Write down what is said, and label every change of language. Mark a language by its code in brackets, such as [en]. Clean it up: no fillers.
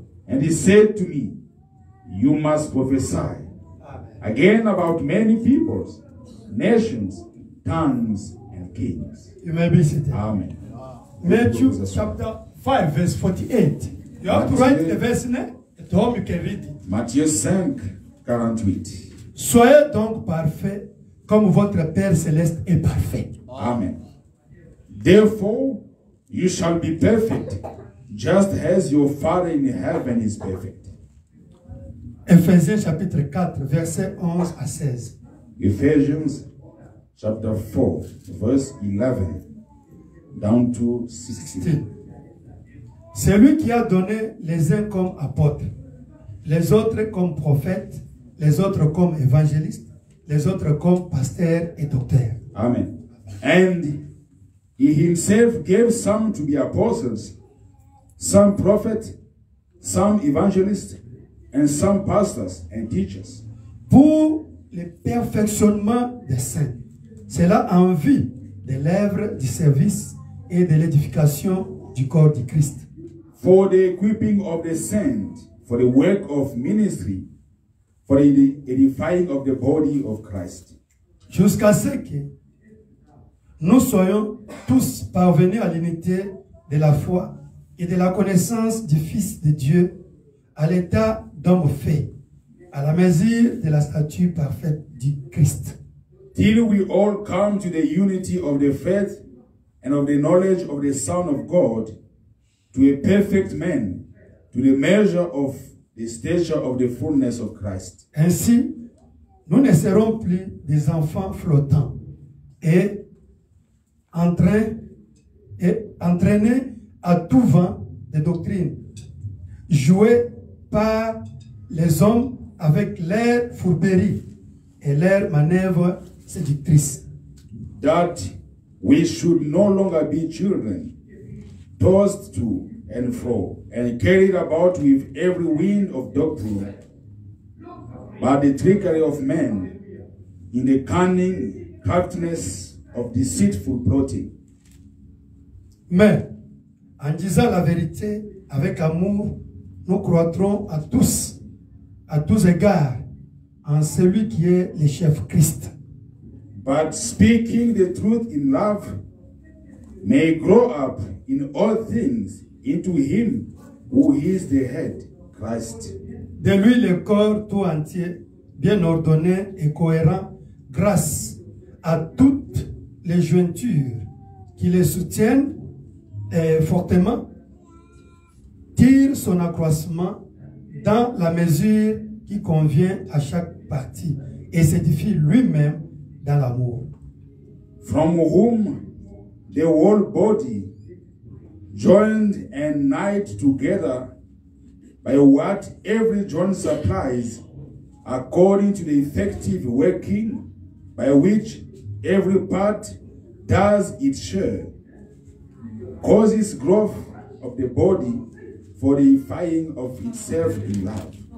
[en] And he said to me, you must prophesy, amen. Again about many peoples, nations, tongues, kings. You may be seated. Amen. Wow. Matthew chapter 5, verse 48. You have to write the verse in there. At home, you can read it. [fr] Matthieu 5, 48. Soyez donc parfait comme votre Père Céleste est parfait. Wow. Amen. [en] Therefore, you shall be perfect just as your Father in heaven is perfect. [fr] Ephésiens chapitre 4, verset 11 à 16. Ephésiens chapitre 4, verset 11 [en] down to [fr] 16. C'est lui qui a donné les uns comme apôtres, les autres comme prophètes, les autres comme évangélistes, les autres comme pasteurs et docteurs. Amen. [en] And he himself gave some to be apostles, some prophets, some evangelists, and some pastors and teachers. [fr] Pour le perfectionnement des saints, cela en vue de l'œuvre du service et de l'édification du corps du Christ. [en] For the equipping of the saints, for the work of ministry, for the edifying of the body of Christ. [fr] Jusqu'à ce que nous soyons tous parvenus à l'unité de la foi et de la connaissance du Fils de Dieu, à l'état d'homme fait, à la mesure de la stature parfaite du Christ. [en] Till we all come to the unity of the faith and of the knowledge of the Son of God, to a perfect man, to the measure of the stature of the fullness of Christ. [fr] Ainsi, nous ne serons plus des enfants flottants et entraînés à tout vent de doctrine, joués par les hommes avec leur fourberie et leur manœuvre séductrice. [en] That we should no longer be children, tossed to and fro, and carried about with every wind of doctrine, by the trickery of men, in the cunning craftiness of deceitful plotting. [fr] Mais, en disant la vérité avec amour, nous croîtrons à tous égards, en celui qui est le chef Christ. [en] But speaking the truth in love, may grow up in all things into him who is the head, Christ. [fr] De lui le corps tout entier, bien ordonné et cohérent, grâce à toutes les jointures qui le soutiennent fortement, tire son accroissement dans la mesure qui convient à chaque partie et s'édifie lui-même dans l'amour. [en] From whom the whole body, joined and knit together by what every joint supplies, according to the effective working by which every part does its share, causes growth of the body for the edifying of itself in love.